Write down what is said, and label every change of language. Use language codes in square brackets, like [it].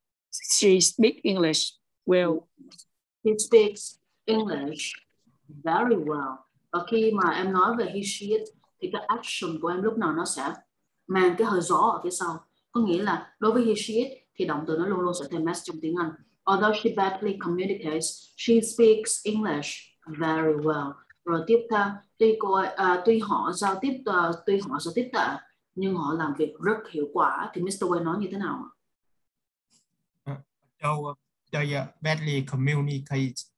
[en] She speaks English well. He speaks English very well. [vi] Và khi mà em nói về he, she, it, thì cái action của em lúc nào nó sẽ mang cái hơi gió ở phía sau. Có nghĩa là đối với he, she, it, thì động từ nó luôn luôn sẽ thêm s trong tiếng Anh. [en] Although she badly communicates, she speaks English very well. [vi] Rồi tiếp theo, tuy họ giao tiếp tệ, nhưng họ làm việc rất hiệu quả. Thì Mr. Wade nói như thế nào? [en] They badly communicate.